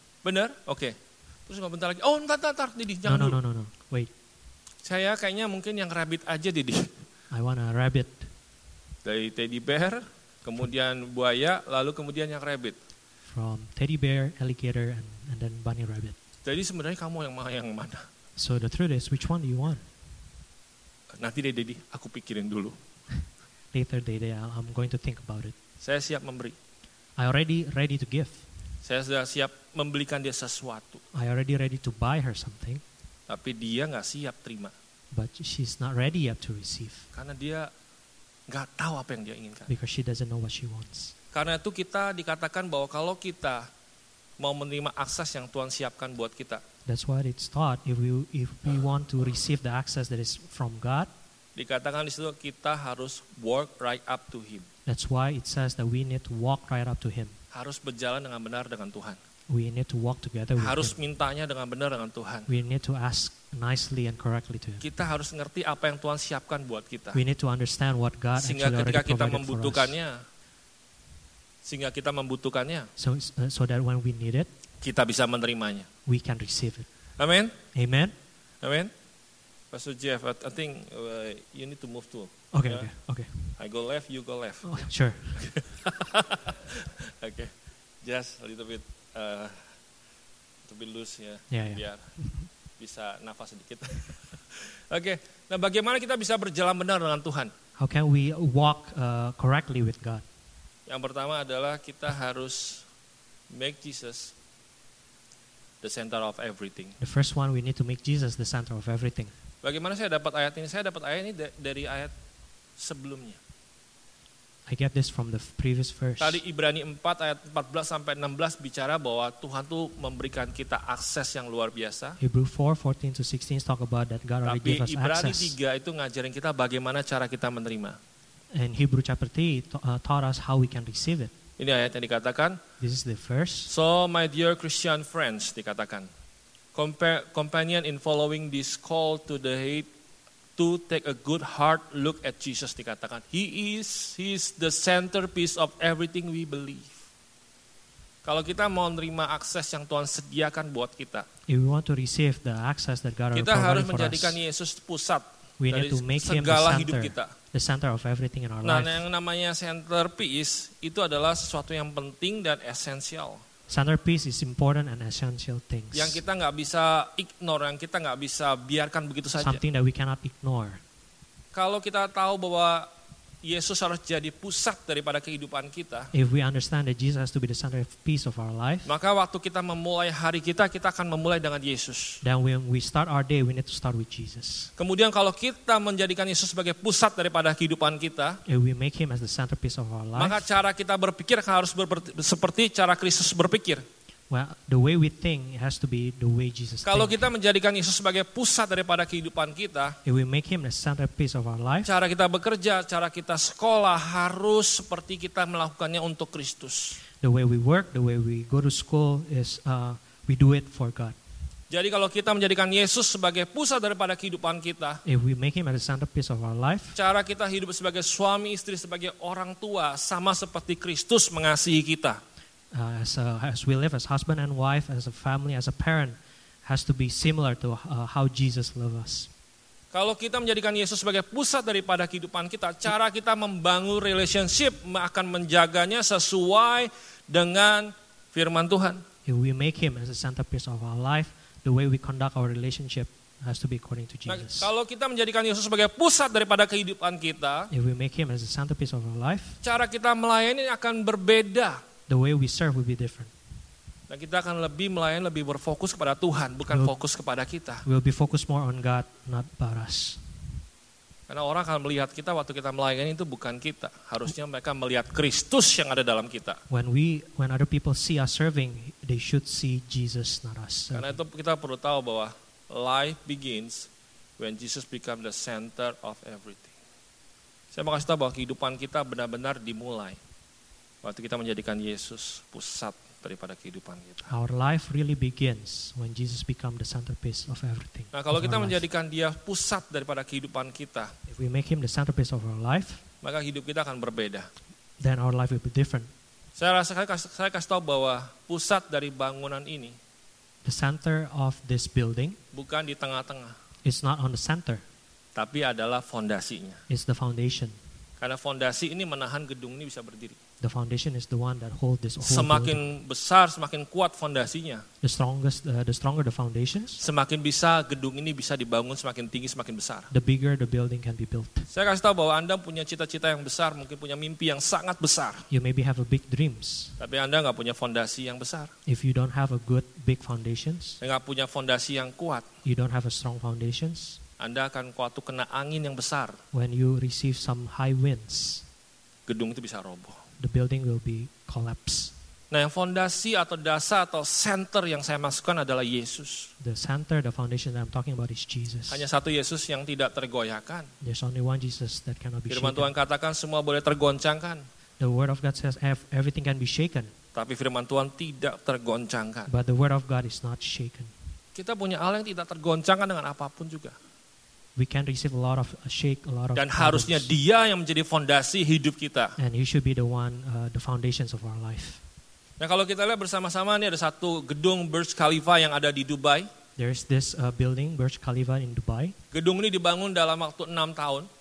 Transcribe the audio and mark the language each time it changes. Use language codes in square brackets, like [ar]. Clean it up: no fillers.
[id] Benar? Oke. Okay. Terus nggak bentar lagi. Oh, ntar. Didi, jangan dulu. [en] No. Wait. [id] Saya kayaknya mungkin yang rabbit aja, Didi. [en] I want a rabbit. [id] Dari teddy bear, kemudian buaya, lalu kemudian yang rabbit. [en] From teddy bear, alligator, and then bunny rabbit. [id] Jadi sebenarnya kamu yang mana? [en] So the truth is, which one do you want? [id] Nanti deh, Didi. Aku pikirin dulu. [en] Later, Didi. I'm going to think about it. [id] Saya siap memberi. [en] I already ready to give. [id] Saya sudah siap membelikan dia sesuatu. [en] I already ready to buy her something. [id] Tapi dia enggak siap terima. [en] But she's not ready yet to receive. [id] Karena dia enggak tahu apa yang dia inginkan. [en] Because she doesn't know what she wants. [id] Karena itu kita dikatakan bahwa kalau kita mau menerima akses yang Tuhan siapkan buat kita. [en] That's what it's taught. If we want to receive the access that is from God. [id] Dikatakan di situ kita harus [en] walk right up to him. That's why it says that we need to walk right up to him. [id] Harus berjalan dengan benar dengan Tuhan. [en] We need to walk together with [id] harus [en] him. [id] Mintanya dengan benar dengan Tuhan. [en] We need to ask nicely and correctly to him. [id] Kita harus ngerti apa yang Tuhan siapkan buat kita. [en] We need to understand what God [id] sehingga [en] actually already provided for us. [id] Sehingga kita membutuhkannya. [en] So that when we need it, [id] kita bisa menerimanya. [en] We can receive it. Amen. Amen. Amen. Pastor Jeff, I think you need to move too. Okay, yeah? Okay. I go left, you go left. Oh, sure. Okay. Just a little bit to be loose ya. Yeah. Yeah, yeah. [id] Biar bisa nafas sedikit. Okay. Nah, bagaimana kita bisa berjalan benar dengan Tuhan? [en] How can we walk correctly with God? [id] Yang pertama adalah kita harus [en] make Jesus the center of everything. The first one, we need to make Jesus the center of everything. [id] Bagaimana saya dapat ayat ini? Saya dapat ayat ini dari ayat sebelumnya. [en] I get this from the previous verse. [id] Tadi Ibrani 4 ayat 14 sampai 16 bicara bahwa Tuhan tuh memberikan kita akses yang luar biasa. [en] Hebrews 4:14 to 16 talk about that God already gave us [id] Ibrani [en] access. [id] Tapi Ibrani 3 itu ngajarin kita bagaimana cara kita menerima. [en] And Hebrew chapter 3 taught us how we can receive it. [id] Ini ayat yang dikatakan. [en] This is the first. So my dear Christian friends, [id] dikatakan. [en] Companion in following this call to the head to take a good hard look at Jesus, [id] dikatakan. [en] He is the centerpiece of everything we believe. [id] Kalau kita mau menerima akses yang Tuhan sediakan buat kita. [en] If we want to receive the access that God has provided for us. [id] Kita harus menjadikan Yesus pusat. [en] We need to make him the center of everything in our life. [id] Nah, yang namanya centerpiece itu adalah sesuatu yang penting dan esensial. [en] Centerpiece is important and essential things. [id] Yang kita enggak bisa ignore, yang kita enggak bisa biarkan begitu saja. [en] Something that we cannot ignore. [id] Kalau kita tahu bahwa Yesus harus jadi pusat daripada kehidupan kita. [en] If we understand that Jesus has to be the centerpiece of our life. [id] Maka waktu kita memulai hari kita, kita akan memulai dengan Yesus. [en] Then when we start our day, we need to start with Jesus. [id] Kemudian kalau kita menjadikan Yesus sebagai pusat daripada kehidupan kita. [en] If we make him as the centerpiece of our life. [id] Maka cara kita berpikir harus seperti cara Kristus berpikir. [en] Well, the way we think has to be the way Jesus thinks. [id] Kalau kita menjadikan Yesus sebagai pusat daripada kehidupan kita, [en] if we make him the centerpiece of our life, [id] cara kita bekerja, cara kita sekolah harus seperti kita melakukannya untuk Kristus. [en] The way we work, the way we go to school is we do it for God. [id] Jadi kalau kita menjadikan Yesus sebagai pusat daripada kehidupan kita, [en] if we make him as the centerpiece of our life, [id] cara kita hidup sebagai suami, istri, sebagai orang tua sama seperti Kristus mengasihi kita. [en] As we live as husband and wife, as a family, as a parent, has to be similar to how Jesus loves us. [id] Kalau kita menjadikan Yesus sebagai pusat daripada kehidupan kita, cara kita membangun relationship akan menjaganya sesuai dengan firman Tuhan. [en] If we make him as the centerpiece of our life, the way we conduct our relationship has to be according to Jesus. [id] Nah, kalau kita menjadikan Yesus sebagai pusat daripada kehidupan kita, [en] if we make him as the centerpiece of our life, [id] cara kita melayani akan berbeda. [en] The way we serve will be different. [id] Dan kita akan lebih melayan, lebih berfokus kepada Tuhan, bukan fokus kepada kita. [en] We'll be focused more on God, not about us. [id] Karena orang akan melihat kita waktu kita melayani itu bukan kita. Harusnya mereka melihat Kristus yang ada dalam kita. [en] When other people see us serving, they should see Jesus, not us. Serving. [id] Karena itu kita perlu tahu bahwa [en] life begins when Jesus becomes the center of everything. [id] Saya mau kasih tahu bahwa kehidupan kita benar-benar dimulai waktu kita menjadikan Yesus pusat daripada kehidupan kita. [en] Our life really begins when Jesus becomes the centerpiece of everything. [id] Nah, kalau kita menjadikan Dia pusat daripada kehidupan kita, [en] if we make him the centerpiece of our life, [id] maka hidup kita akan berbeda. [en] Then our life will be different. [id] Saya kasih tahu bahwa pusat dari bangunan ini, [en] the center of this building, [id] bukan di tengah-tengah. [en] It's not on the center. [id] Tapi adalah fondasinya. [en] It's the foundation. [id] Karena fondasi ini menahan gedung ini bisa berdiri. [en] The foundation is the one that holds this whole [id] semakin [en] building. [id] Besar, semakin kuat fondasinya. [en] The stronger the foundations. [id] Semakin bisa gedung ini bisa dibangun semakin tinggi, semakin besar. [en] The bigger the building can be built. [id] Saya kasih tahu bahwa Anda punya cita-cita yang besar, mungkin punya mimpi yang sangat besar. [en] You maybe have a big dreams. [id] Tapi Anda enggak punya fondasi yang besar. [en] If you don't have a good big foundations. [id] Enggak punya fondasi yang kuat. [en] You don't have a strong foundations. [id] Anda akan waktu kena angin yang besar. [en] When you receive some high winds. [id] Gedung itu bisa roboh. [en] The building will be collapse. [id] Nah, yang fondasi atau dasar atau center yang saya masukkan adalah Yesus. [en] The center, the foundation that I'm talking about is Jesus. [id] Hanya satu Yesus yang tidak tergoyahkan. [en] There's only one Jesus that cannot be shaken. [id] Firman Tuhan katakan semua boleh tergoncangkan. [en] The word of God says everything can be shaken. [id] Tapi firman Tuhan tidak tergoncangkan. [en] But the word of God is not shaken. [id] Kita punya Allah yang tidak tergoncangkan dengan apapun juga. [en] We can receive a lot of shake, a lot of. [id] Dan harusnya Dia yang menjadi fondasi hidup kita. [en] And He should be the one, the foundations of our life. [id] Nah, kalau kita lihat bersama-sama, ini ada satu gedung Burj Khalifa yang ada di Dubai. [en] There is this building, Burj Khalifa in Dubai. [id] Gedung ini dibangun dalam waktu 6 tahun.